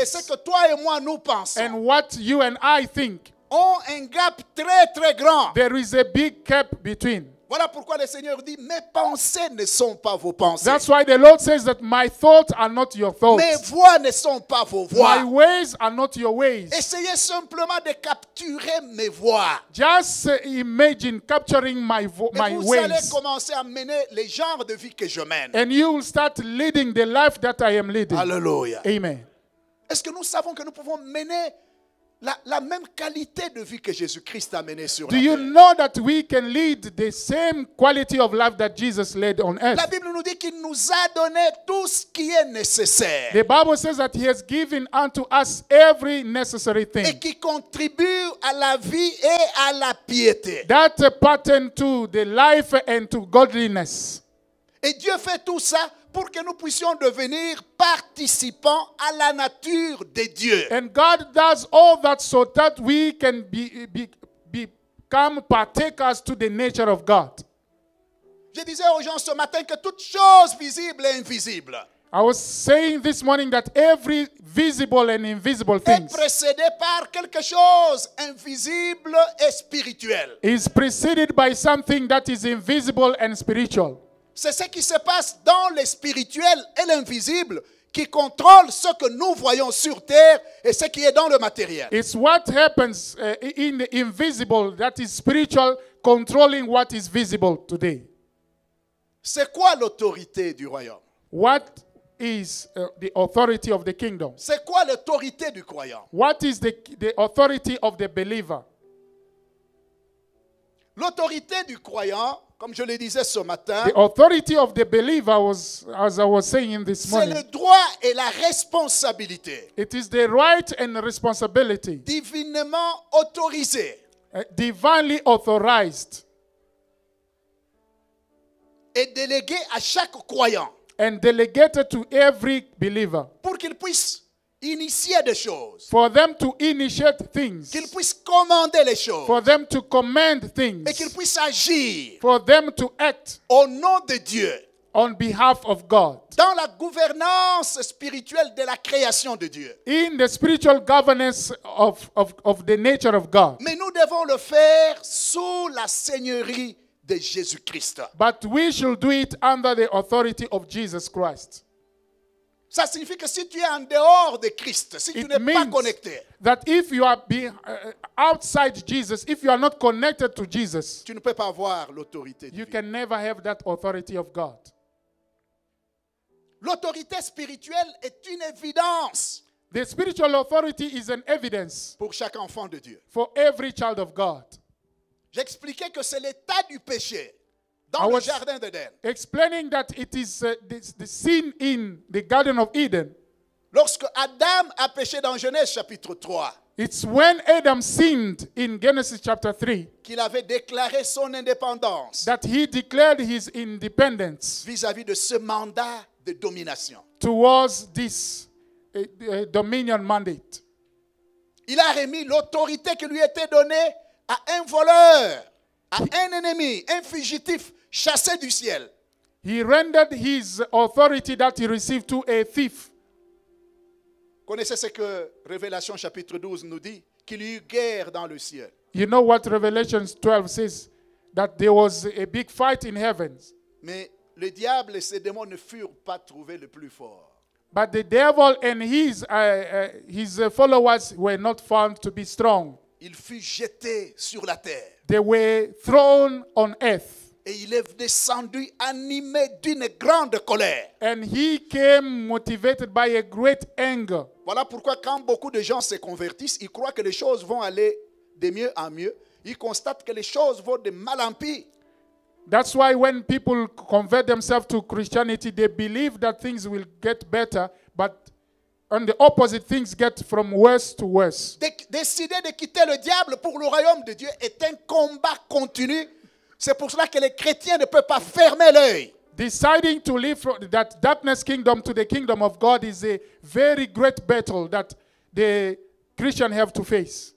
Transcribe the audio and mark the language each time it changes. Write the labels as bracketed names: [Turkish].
[French] et ce que toi et moi nous pensons, [English] and what you and I think, [French] ont un gap très très grand. [English] There is a big gap between. [French] Voilà pourquoi le Seigneur dit, mes pensées ne sont pas vos pensées. [English] That's why the Lord says that my thoughts are not your thoughts. [French] Mes voix ne sont pas vos voix. [English] My ways are not your ways. [French] Essayez simplement de capturer mes voix. [English] Just imagine capturing my [French] vous [English] ways. [French] Vous allez commencer à mener les genres de vie que je mène. [English] And you will start leading the life that I am leading. [French] Alléluia. [English] Amen. [French] Est-ce que nous savons que nous pouvons mener la même qualité de vie que Jésus-Christ a menée sur la terre? [English] Do you know that we can lead the same quality of life that Jesus led on earth? [French] La Bible nous dit qu'il nous a donné tout ce qui est nécessaire. [English] The Bible says that he has given unto us every necessary thing. [French] Et qui contribue à la vie et à la piété. [English] That pertain to the life and to godliness. [French] Et Dieu fait tout ça pour que nous puissions devenir participants à la nature de Dieu. [English] And God does all that so that we can become partakers to the nature of God. [French] Je disais aux gens ce matin que toute chose visible et invisible. [English] I was saying this morning that every visible and invisible thing [French] est précédé par quelque chose invisible et spirituel. [English] Is preceded by something that is invisible and spiritual. [French] C'est ce qui se passe dans le spirituel et l'invisible qui contrôle ce que nous voyons sur terre et ce qui est dans le matériel. [English] It's what happens in the invisible that is spiritual controlling what is visible today. [French] C'est quoi l'autorité du royaume? [English] What is the authority of the kingdom? [French] C'est quoi l'autorité du croyant? [English] What is the authority of the believer? [French] L'autorité du croyant, comme je le disais ce matin, [English] the authority of the believer was, as I was saying in this [French] c'est [English] morning, [French] le droit et la responsabilité. [English] It is the right and responsibility. [French] Divinement autorisé. [English] Divinely authorized. [French] Et délégué à chaque croyant. [English] And delegated to every believer. [French] Pour qu'il puisse initier des choses. [English] For them to initiate things. [French] Qu'ils puissent commander les choses. [English] For them to command things. [French] Et qu'ils puissent agir. [English] For them to act. [French] Au nom de Dieu. [English] On behalf of God. [French] Dans la gouvernance spirituelle de la création de Dieu. [English] In the spiritual governance of the nature of God. [French] Mais nous devons le faire sous la seigneurie de Jésus-Christ. [English] But we should do it under the authority of Jesus Christ. [French] Ça signifie que si tu es en dehors de Christ, si [English] it [French] tu n'es pas connecté, [English] that if you are being outside Jesus, if you are not connected to Jesus, [French] tu ne peux pas avoir l'autorité. [English] You can never have that authority of God. [French] L'autorité spirituelle est une évidence. [English] The spiritual authority is an evidence [French] pour chaque enfant de Dieu. [English] For every child of God. [French] J'expliquais que c'est l'état du péché dans le jardin d'Eden. [English] Explaining that it is the sin in the Garden of Eden. [French] Lorsque Adam a péché dans Genèse chapitre 3. [English] It's when Adam sinned in Genesis chapter 3. [French] Qu'il avait déclaré son indépendance. [English] That he declared his independence. [French] Vis-à-vis de ce mandat de domination. [English] Towards this dominion mandate. [French] Il a remis l'autorité qui lui était donnée à un voleur, à un ennemi, un fugitif chassé du ciel. [English] He rendered his authority that he received to a thief. [French] Connaissez ce que Révélation chapitre 12 nous dit, qu'il y eut guerre dans le ciel. [English] You know what Revelation 12 says, that there was a big fight in heavens. [French] Mais le diable et ses démons ne furent pas trouvés le plus fort. [English] But the devil and his followers were not found to be strong. [French] Il fut jeté sur la terre. [English] They were thrown on earth. [French] Et il est descendu animé d'une grande colère. [English] And he came motivated by a great anger. [French] Voilà pourquoi quand beaucoup de gens se convertissent, ils croient que les choses vont aller de mieux en mieux. Ils constatent que les choses vont de mal en pis. [English] That's why when people convert themselves to Christianity, they believe that things will get better, but on the opposite, things get from worse to worse. [French] Décider de quitter le diable pour le royaume de Dieu est un combat continu. C'est pour cela que les chrétiens ne peuvent pas fermer l'œil. [English] Deciding to leave that darkness kingdom to the kingdom of God is a very great battle that the Christians have to face.